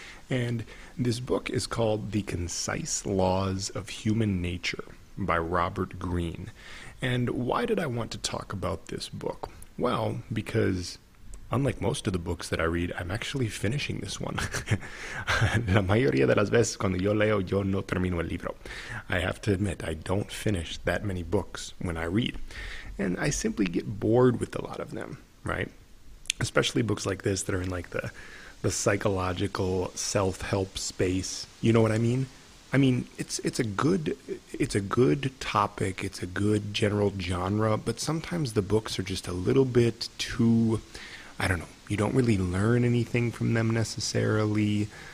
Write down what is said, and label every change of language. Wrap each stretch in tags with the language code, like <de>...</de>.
<en>And this book is called The Concise Laws of Human Nature by Robert Greene. And why did I want to talk about this book? Well, because unlike most of the books that I read, I'm actually finishing this one.</en> <es>La mayoría de las veces cuando yo leo, yo no termino el libro.</es> <en>I have to admit, I don't finish that many books when I read. And I simply get bored with a lot of them, right? Especially books like this that are in like the psychological self-help space. You know what I mean? I mean, it's a good topic, it's a good general genre, but sometimes the books are just a little bit too, I don't know, you don't really learn anything from them necessarily.</en>